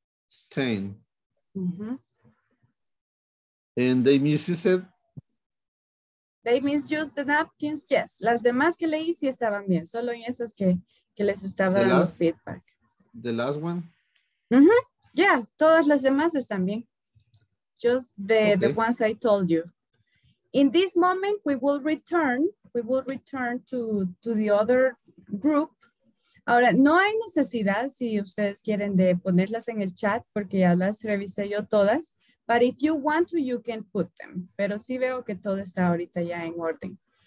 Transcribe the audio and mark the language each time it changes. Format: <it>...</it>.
<en>Stain. Uh-huh. And they misused. They misused the napkins, yes.</en> <es>Las demás que leí sí estaban bien, solo en esas que les estaba dando feedback.</es> <en>The last one.</en> <es>Uh-huh. Yeah, todas las demás están bien.</es> <en>Just the ones I told you. In this moment, we will return. we will return to the other group.</en> <es>Ahora, no hay necesidad, si ustedes quieren, de ponerlas en el chat, porque ya las revisé yo todas.</es> <en>But if you want to, you can put them.</en> <es>Pero sí veo que todo está ahorita ya en orden.</es>